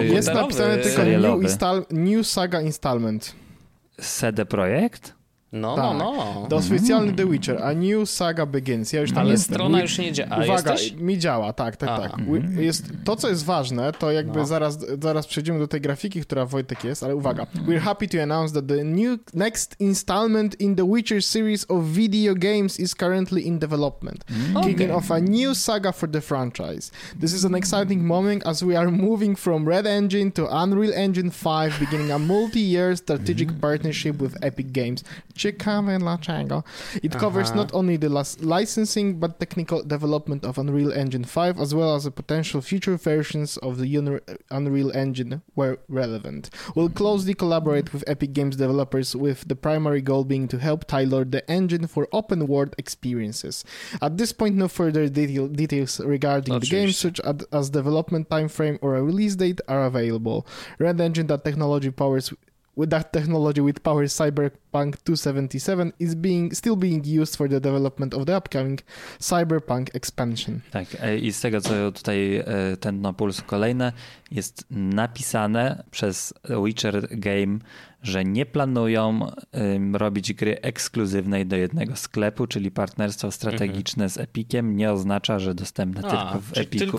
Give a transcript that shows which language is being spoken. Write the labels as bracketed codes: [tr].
[pl] Jest napisane tylko New Saga Installment. CD Projekt? No, tak. No. To oficjalny The Witcher, a New Saga Begins. Ja już tam ale jestem. Strona już nie działa. Uwaga, jesteś? Mi działa, tak. Jest, to, co jest ważne, to jakby zaraz przejdziemy do tej grafiki, która Wojtek jest, ale uwaga. [en] We're happy to announce that the next installment in The Witcher series of video games is currently in development, kicking off a new saga for the franchise. This is an exciting moment as we are moving from Red Engine to Unreal Engine 5, beginning a multi-year strategic partnership with Epic Games. [pl] Ciekawe dlaczego. [en] It covers not only the licensing, but technical development of Unreal Engine 5, as well as the potential future versions of the Unreal Engine where relevant. We'll closely collaborate with Epic Games developers, with the primary goal being to help tailor the engine for open world experiences. At this point, no further details regarding the game, such as development timeframe or a release date, are available. Red Engine, that technology powers... With that technology, with power Cyberpunk 2077 is still being used for the development of the upcoming Cyberpunk expansion. [pl] Tak, i z tego, co tutaj ten na puls kolejne, jest napisane przez Witcher Game, że nie planują robić gry ekskluzywnej do jednego sklepu, czyli partnerstwo strategiczne z Epiciem nie oznacza, że dostępne tylko w Epiku.